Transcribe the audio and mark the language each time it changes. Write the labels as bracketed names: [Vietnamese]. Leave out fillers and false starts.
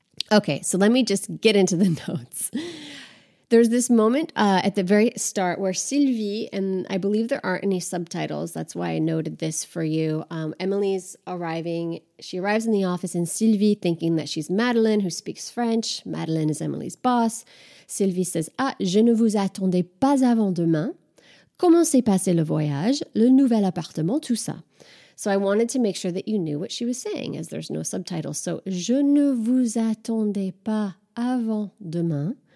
[English] Okay, so let me just get into the notes. There's this moment at the very start where Sylvie, and I believe there aren't any subtitles, that's why I noted this for you. Emily's arriving, she arrives in the office, and Sylvie, thinking that she's Madeleine, who speaks French, Madeleine is Emily's boss. [French] Sylvie says, ah, je ne vous attendais pas avant demain. Comment s'est passé le voyage, le nouvel appartement, tout ça? [English] So I wanted to make sure that you knew what she was saying, as there's no subtitles. [French] So, je ne vous attendais pas avant demain.